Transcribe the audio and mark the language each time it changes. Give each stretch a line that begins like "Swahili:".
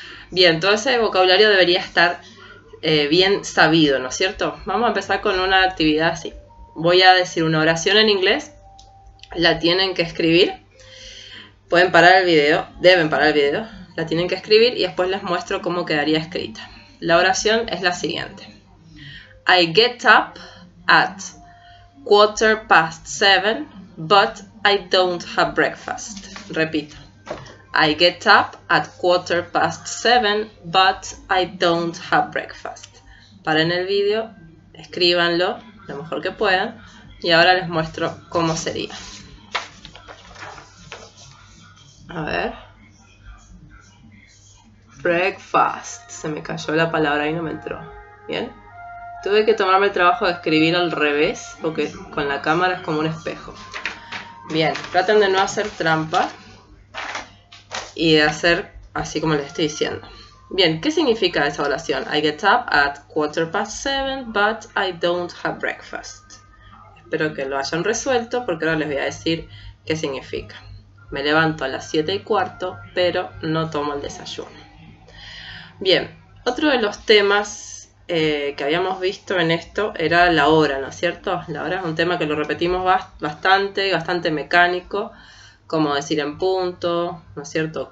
Spanish: Bien, todo ese vocabulario debería estar bien sabido, ¿no es cierto? Vamos a empezar con una actividad así. Voy a decir una oración en inglés. La tienen que escribir, pueden parar el video, deben parar el video, la tienen que escribir y después les muestro cómo quedaría escrita. La oración es la siguiente.
English: I get up at 7:15, but I don't have breakfast.
Spanish: Repito.
English: I get up at 7:15, but I don't have breakfast.
Spanish: Paren el video, escríbanlo lo mejor que puedan y ahora les muestro cómo sería. A ver. Breakfast. Se me cayó la palabra y no me entró. ¿Bien? Tuve que tomarme el trabajo de escribir al revés porque con la cámara es como un espejo. Bien, traten de no hacer trampa y de hacer así como les estoy diciendo. Bien, ¿qué significa esa oración?
English: I get up at 7:15, but I don't have breakfast.
Spanish: Espero que lo hayan resuelto porque ahora les voy a decir qué significa. Me levanto a las 7:15, pero no tomo el desayuno. Bien, otro de los temas que habíamos visto en esto era la hora, ¿no es cierto? La hora es un tema que lo repetimos bastante, bastante mecánico, como decir en punto, ¿no es cierto?